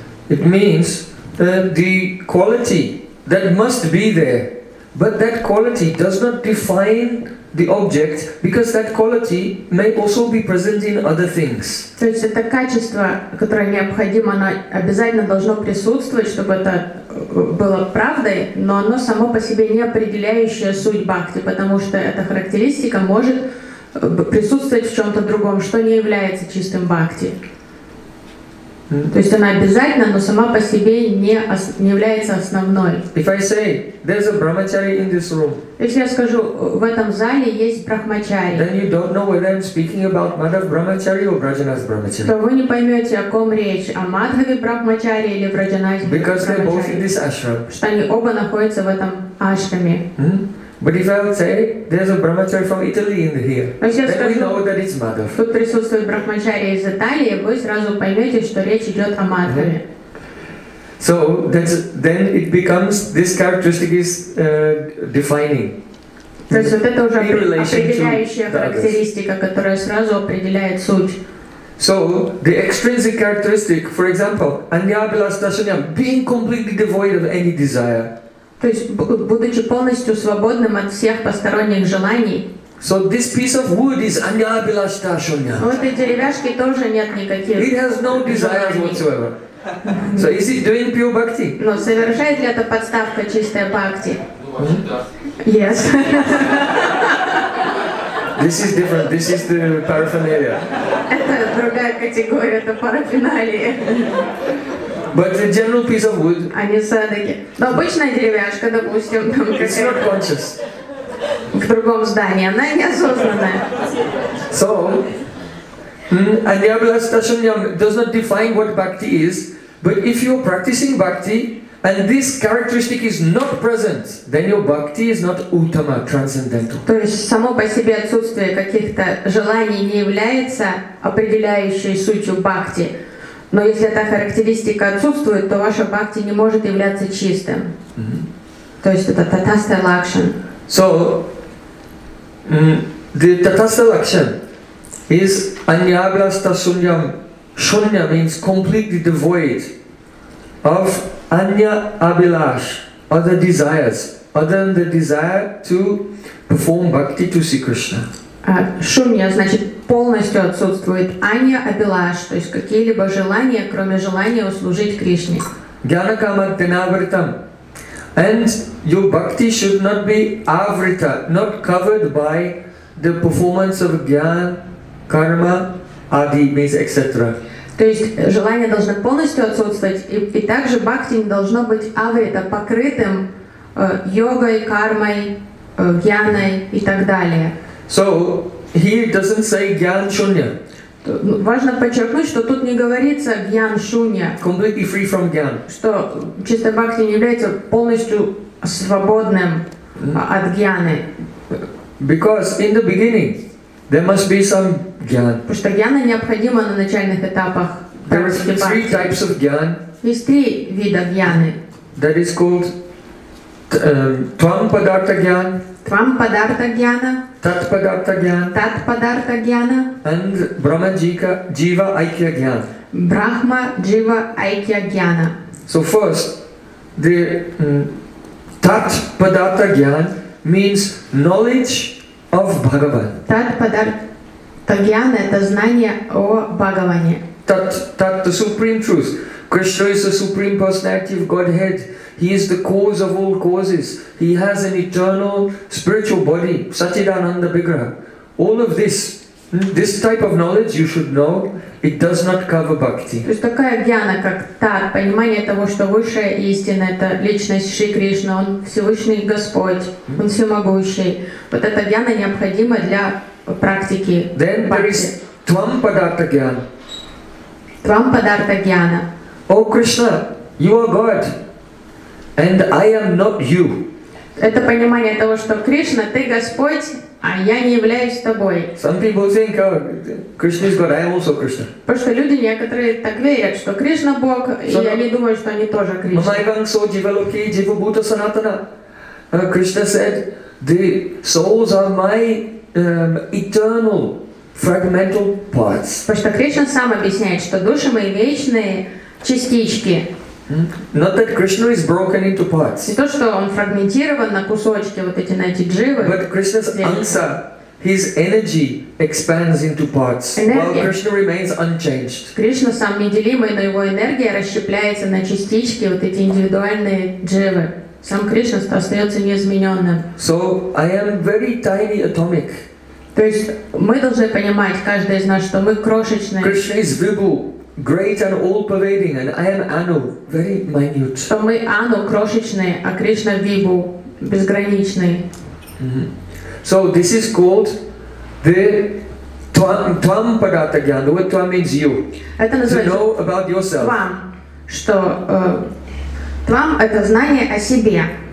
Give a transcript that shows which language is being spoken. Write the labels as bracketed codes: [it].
[en] It means the quality that must be there, but that quality does not define the object, because that quality may also be present in other things. [ru] То есть это качество, которое необходимо, оно обязательно должно присутствовать, чтобы это было правдой, но оно само по себе не определяющее суть бхакти, потому что эта характеристика может присутствовать в чем-то другом, что не является чистым бхакти. То есть она обязательна, но сама по себе не является основной. [en] If I say, there's a brahmachari in this room. [ru] Если я скажу, в этом зале есть брахмачари. [en] Then you don't know whether I'm speaking about Madhav brahmachari or Vrajanas brahmachari. [ru] То вы не поймете, о ком речь, о Мадхаве брахмачари или Враджанасе брахмачари. [en] Because they're both in this ashram. [ru] Что они оба находятся в этом ашраме. [en] But if I would say there's a brahmachari from Italy in here, then we know that it's Madhav. [ru] Тут присутствует брахмачари из Италии, вы сразу поймете, что речь идет о Мадхаве. [en] So then it becomes this characteristic is defining. [ru] То есть вот это уже определяющая характеристика, которая сразу определяет суть. [en] So the extrinsic characteristic, for example, anyabhilashadashanyam, being completely devoid of any desire. [ru] То есть, будучи полностью свободным от всех посторонних желаний. [en] So this piece of wood is anyabhilashadashanya. [ru] У этой деревяшки тоже нет никаких. [en] It has no desires whatsoever. So is it doing pure bhakti? [ru] Но совершает ли это подставка чистая бхакти? [en] Yes. This is different. This is the paraphernalia. [ru] Это другая категория, это парафиналия. [en] But the general piece of wood. [ru] Они все-таки. Но обычная деревяшка, допустим, там какая-то. [en] It's not conscious. [ru] В другом здании, она неосознанная. [en] So, anyabhilashadashanyam does not define what bhakti is. But if you're practicing bhakti and this characteristic is not present, then your bhakti is not uttama, transcendental. [ru] То есть само по себе отсутствие каких-то желаний не является определяющей сутью бхакти. Но если эта характеристика отсутствует, то ваша бхакти не может являться чистым. То есть это tatastha lakshan. [en] So the tatastha lakshan is anyabhilashadashanyam. Shunya means completely devoid of anya abhilash, other desires, other than the desire to perform bhakti to see Krishna. [ru] Shunya значит полностью отсутствует anya abhilash, то есть какие-либо желания, кроме желания услужить Кришне. [sa] Gyanakama tenavritam. [en] And your bhakti should not be avrita, not covered by the performance of jnana, karma, adi means etc. [ru] То есть желание должно полностью отсутствовать, и также бхакти не должно быть аврита, покрытым йогой, кармой, гьяной и так далее. [en] So he doesn't say gyan shunya. [ru] Важно подчеркнуть, что тут не говорится гьян шунья. [en] Completely free from gyan. [ru] Что чистое бхакти не является полностью свободным от гьяны. [en] Because in the beginning there must be some jnana. [ru] Потому что jnana необходима на начальных этапах. [en] There are three types of jnana. [ru] Есть три вида jnana. [en] That is called tvam padartha jnana. [sa] Tvam padartha jnana. Tat padartha jnana. Tat padartha jnana. [en] And brahma jika jiva aikya jnana. [sa] Brahma jiva aikya jnana. [en] So first, the tat padartha jnana means knowledge of Bhagavan. [ru] Tat padartha jnana это знание о Бхагаване. [en] Tat the supreme truth. Krishna is the supreme personality of Godhead. He is the cause of all causes. He has an eternal spiritual body, Satchidananda Vigraha. All of this This type of knowledge you should know, it does not cover bhakti. [ru] То есть такая гьяна, как тар, понимание того, что высшая истина это личность Шри Кришна, он Всевышний Господь, он всемогущий. Вот эта гьяна необходима для практики. Then there is твам падарта гьяна. [sa] Твам падарта гьяна. [en] О Кришна, you are God, and I am not you. [ru] Это понимание того, что Кришна, ты Господь, а я не являюсь тобой. [en] Some people think, oh, Krishna is God, I am also Krishna. [ru] Потому что люди некоторые так верят, что Кришна Бог, so и они думают, что они тоже Кришна. [sa] Мама Иванса, Дивалоки, Дивабута, Санатана. [en] Krishna said, the souls are my eternal, fragmental parts. [ru] Потому что Кришна сам объясняет, что души мои вечные частички. [en] Not that Krishna is broken into parts. [ru] Не то, что он фрагментирован на кусочки, вот эти, знаете, дживы. [en] But Krishna's answer, his energy expands into parts, [ru] энергия. [en] While Krishna remains unchanged. [ru] Кришна сам неделимый, но его энергия расщепляется на частички, вот эти индивидуальные дживы. Сам Кришна остается неизмененным. [en] So I am very tiny atomic. [ru] То есть мы должны понимать, каждый из нас, что мы крошечные. [en] Krishna is Vibhu. Great and all pervading, and I am Anu, very minute. [ru] Что мы Anu крошечные, а Кришна Вибу безграничный. [en] So this is called the Твам Падарта Гьяна. The word Твам means you. [ru] Это называется [en] to know about yourself. [ru] Твам, что Твам это знание о себе.